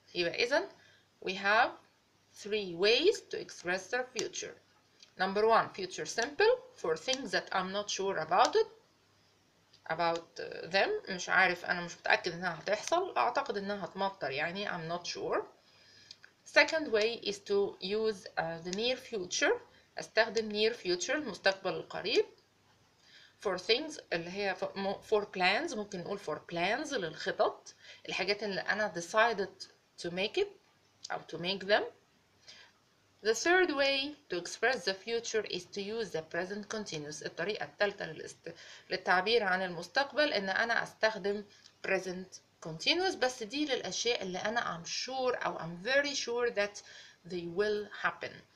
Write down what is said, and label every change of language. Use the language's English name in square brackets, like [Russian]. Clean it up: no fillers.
[Arabic] يبقى إذن [English] we have three ways to express the future. Number one, future simple for things that I'm not sure about it, about them. [Arabic] مش عارف أنا مش متأكد إنها هتحصل. أعتقد إنها هتمطر يعني. [English] I'm not sure. Second way is to use the near future. [Arabic] أستخدم [English] near future [Arabic] المستقبل القريب [English] for things [Arabic] اللي هي [English] for plans. [Arabic] ممكن نقول [English] for plans [Arabic] للخطط الحاجات اللي أنا [English] decided to make it [Arabic] أو [English] to make them. The third way to express the future is to use the present continuous. [Arabic] الطريقة الثالثة للتعبير عن المستقبل إن أنا أستخدم present continuous بس دي للأشياء اللي أنا [English] I'm sure [Arabic] أو [English] I'm very sure that they will happen.